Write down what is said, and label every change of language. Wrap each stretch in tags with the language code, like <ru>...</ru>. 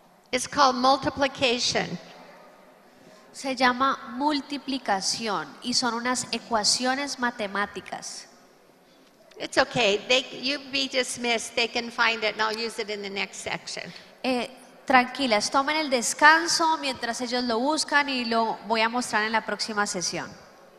<en>It's called multiplication.</en> <es>Se llama multiplicación y son unas ecuaciones matemáticas.</es> <en>It's okay. You be dismissed. They can find it and I'll use it in the next section.</en> <es>Tranquilas, tomen el descanso mientras ellos lo buscan y lo voy a mostrar en la próxima sesión.</es>